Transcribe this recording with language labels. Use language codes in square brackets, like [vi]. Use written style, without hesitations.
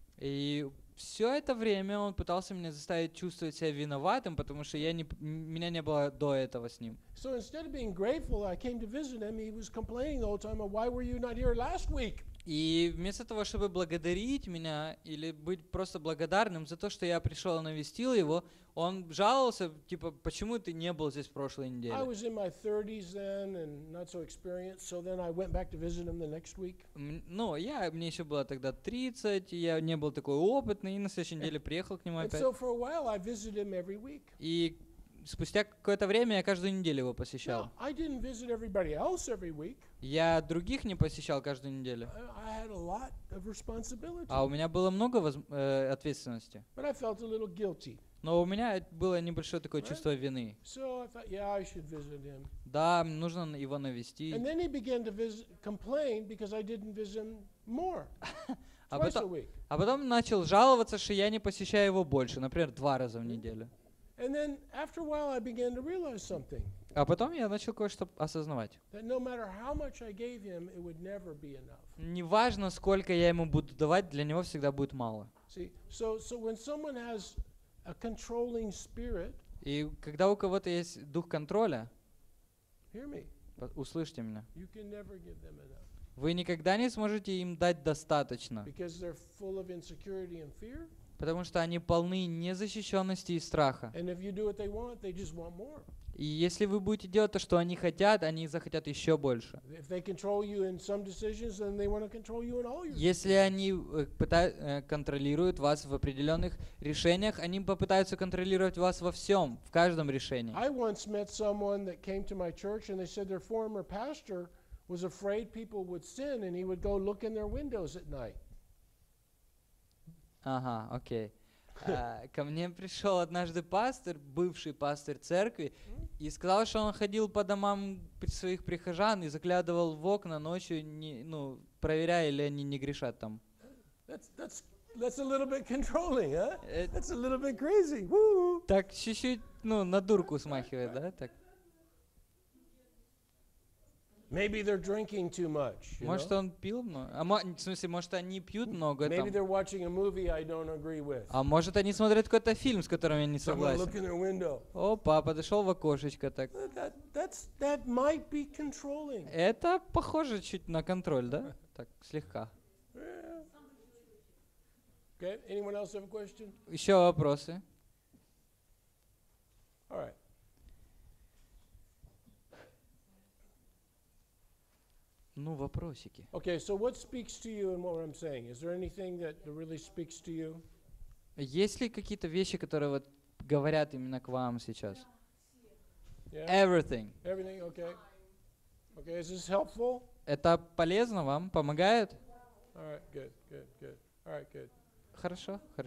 [ru] И все это время он пытался меня заставить чувствовать себя виноватым, потому что меня не было до этого с ним. [en] So instead of being grateful, I came to visit him. He was complaining the whole time, "Why were you not here last week?" [ru] И вместо того, чтобы благодарить меня или быть просто благодарным за то, что я пришел и навестил его, он жаловался, типа, почему ты не был здесь в прошлой неделе? [en] I was in my 30s then and not so experienced, so then I went back to visit him the next week. [ru] Ну, мне еще было тогда 30, я не был такой опытный, и на следующей неделе приехал к нему опять. [en] And so for a while I visited him every week. [ru] И спустя какое-то время я каждую неделю его посещал. [en] Now, I didn't visit everybody else every week. [ru] Я других не посещал каждую неделю. [en] I had a lot of responsibility. [ru] А у меня было много ответственности. [en] But I felt a little guilty. [ru] Но у меня было небольшое такое [en] right? [ru] чувство вины. [en] So I thought, yeah, I should visit him. [ru] Да, нужно его навести. [en] And then he began to complain because I didn't visit him more. [ru] А потом начал жаловаться, что я не посещаю его больше, например, два раза в неделю. [en] And then after a while I began to realize something. [ru] А потом я начал кое-что осознавать. [en] That no matter how much I gave him, it would never be enough. [ru] Неважно, сколько я ему буду давать, для него всегда будет мало. [en] See, so when someone has a controlling spirit, [ru] и когда у кого-то есть дух контроля, [en] hear me. [ru] Услышьте меня. [en] You can never give them enough. [ru] Вы никогда не сможете им дать достаточно. [en] Because they're full of insecurity and fear. [ru] Потому что они полны незащищенности и страха. [en] Want, [ru] и если вы будете делать то, что они хотят, они захотят еще больше. [en] Decisions, [ru] если они контролируют вас в определенных решениях, они попытаются контролировать вас во всем, в каждом решении. [en] I once met someone that came to my church and they said their former pastor was afraid people would sin and he would go look in their windows at night. [ru] Ага, окей. Ко мне пришел однажды пастор, бывший пастор церкви, и сказал, что он ходил по домам своих прихожан и заглядывал в окна ночью, проверяя, или они не грешат там. [en] That's a little bit controlling, huh? That's a little bit crazy. Woo-hoo. [ru] Так чуть-чуть, на дурку смахивает, да? Так. [en] Maybe they're drinking too much. You [ru] может [en] know? [ru] Он пил много? В смысле, может они пьют много? [en] Maybe [ru] там. [en] They're watching a movie I don't agree with. [ru] А может они смотрят какой-то фильм, с которым я не согласен? [en] Someone look in their window. [ru] Опа, подошел в окошечко так. [en] That might be controlling. [ru] Это похоже чуть на контроль, да? Так слегка. [en] Yeah. Okay. Anyone else have a question? [ru] Еще вопросы? [en] All right. [ru] Ну, вопросики. [en] Okay, so what speaks to you in what I'm saying? Is there anything that really speaks to you? [ru] Есть ли какие-то вещи, которые вот говорят именно к вам сейчас? [en] Yeah. Everything. Everything, okay. Okay, is this helpful? [ru] Это полезно вам? Помогает? [en] All right, good. All right, good. [ru] Хорошо.